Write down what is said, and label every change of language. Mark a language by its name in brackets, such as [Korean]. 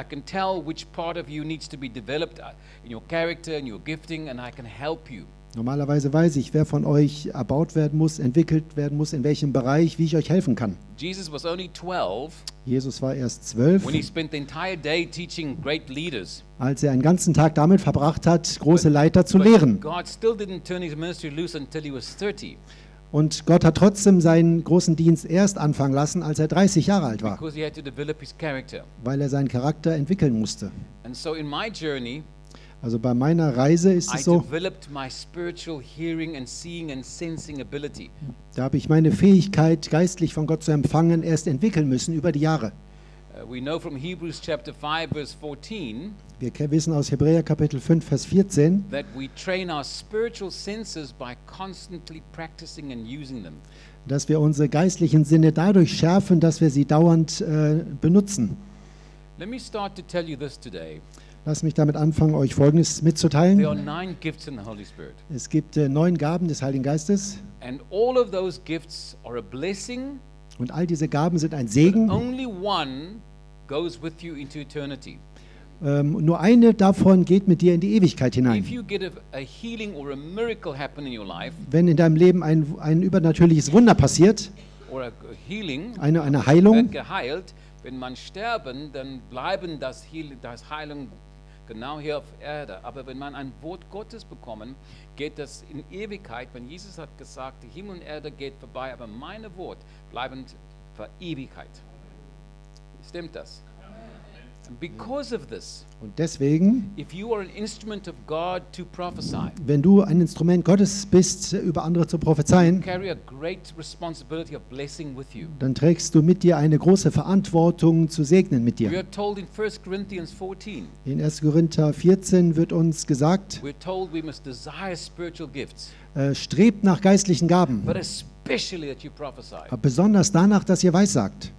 [English] I can tell which part of you needs to be developed in your character and your gifting, and I can help you. [German] Normalerweise weiß ich, wer von euch erbaut werden muss, entwickelt werden muss, in welchem Bereich, wie ich euch helfen kann. [English] Jesus was only 12. [German] Jesus war erst 12. [English] When he spent the entire day teaching great leaders. [German] Als er einen ganzen Tag damit verbracht hat, große Leiter zu lehren. [English] God still didn't turn his ministry loose until he was 30. [German] Und Gott hat trotzdem seinen großen Dienst erst anfangen lassen, als er 30 Jahre alt war. [English] Because he had to develop his character. [German] Weil er seinen Charakter entwickeln musste. [English] And so in my journey. [German] Also bei meiner Reise ist es so, da habe ich meine Fähigkeit, geistlich von Gott zu empfangen, erst entwickeln müssen über die Jahre. Wir wissen aus Hebräer Kapitel 5, Vers 14, [English] that we train our spiritual senses by constantly practicing and using them. [German] Dass wir unsere geistlichen Sinne dadurch schärfen, dass wir sie dauernd benutzen. [English] Let me start to tell you this today. [German] Lass mich damit anfangen, euch Folgendes mitzuteilen. [English] There are 9 gifts in the Holy Spirit. [German] Es gibt 9 Gaben des Heiligen Geistes. [English] And all of those gifts are a blessing, [German] und all diese Gaben sind ein Segen. [English] But only one goes with you into eternity. [German] Nur eine davon geht mit dir in die Ewigkeit hinein. [English] If you get a healing or a miracle happen in your life, [German] wenn in deinem Leben ein übernatürliches Wunder passiert, [English] or a healing, [German] eine Heilung, geheilt, wenn man sterben, dann bleiben das Heilung genau hier auf Erde. Aber wenn man ein Wort Gottes bekommen, geht das in Ewigkeit. Wenn Jesus hat gesagt, Himmel und Erde geht vorbei, aber meine Wort bleiben für Ewigkeit. Stimmt das? [English] And because of this, [German] und deswegen, [English] if you are an instrument of God to prophesy, [German] wenn du ein Instrument Gottes bist, über andere zu prophezeien, [English] you carry a great responsibility of blessing with you. [German] Dann trägst du mit dir eine große Verantwortung zu segnen mit dir. [English] We are told in 1 Corinthians 14, [German] in 1. Korinther 14 wird uns gesagt, [English] we are told we must desire spiritual gifts, [German] strebt nach geistlichen Gaben. [English] But especially that you prophesy. [German] Aber besonders danach, dass ihr weissagt.